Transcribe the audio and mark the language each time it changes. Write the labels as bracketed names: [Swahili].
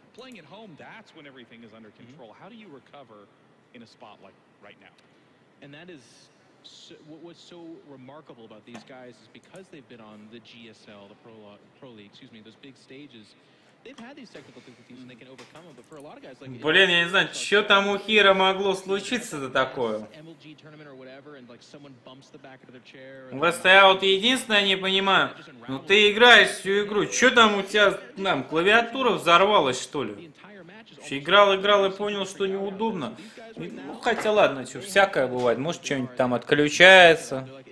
[English] Playing at home, that's when everything is under control. Mm-hmm. How do you recover in a spot like right now? And that is so, what was so remarkable about these guys is because they've been on the GSL, the Pro League, those big stages, they've had these technical difficulties and they can overcome them, but for a lot of guys like... [Russian] Блин, я не знаю, что там у Хира могло случиться-то такое? [English] MLG tournament or whatever, and like someone bumps the back of their chair... [Russian] West Out, единственное, я не понимаю, ну ты играешь всю игру, что там у тебя, там, клавиатура взорвалась, что ли? Вообще, играл и понял, что неудобно. Ну, хотя ладно, что, всякое бывает, может, что-нибудь там отключается.